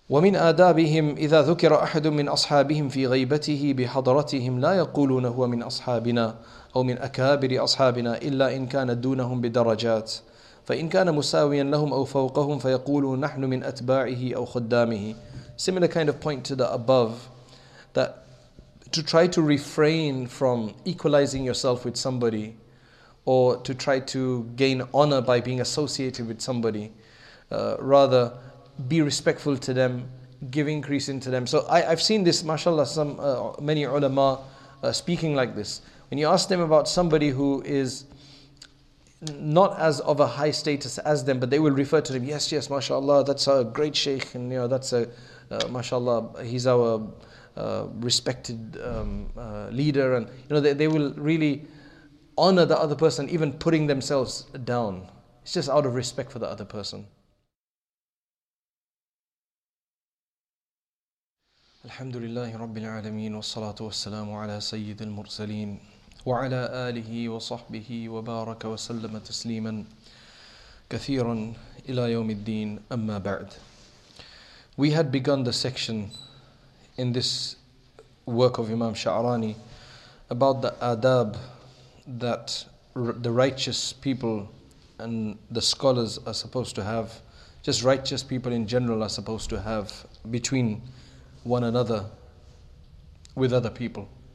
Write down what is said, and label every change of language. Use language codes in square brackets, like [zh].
[ar] ومن آدابهم إذا ذكر أحد من أصحابهم في غيبته بحضرتهم لا يقولون هو من أصحابنا أو من أكابر أصحابنا إلا إن كان دونهم بدرجات، فإن كان مساويا لهم أو فوقهم فيقولوا نحن من أتباعه أو خدامه. [en] Similar kind of point to the above, that to try to refrain from equalizing yourself with somebody, or to try to gain honor by being associated with somebody, rather be respectful to them, give increase into them. So I've seen this, mashallah, many ulama speaking like this. When you ask them about somebody who is not as of a high status as them, but they will refer to them, yes, yes, mashallah, that's a great sheikh, and you know, that's a, mashallah, he's our respected leader, and you know, they will really honor the other person, even putting themselves down. It's just out of respect for the other person. [ar] الحمد لله رب العالمين والصلاة والسلام على سيد المرسلين وعلى آله وصحبه وبارك وسلم تسليما كثيرا إلى يوم الدين أما بعد. [en] We had begun the section in this work of Imam Sha'rani about the adab that the righteous people and the scholars are supposed to have, just righteous people in general are supposed to have between one another with other people.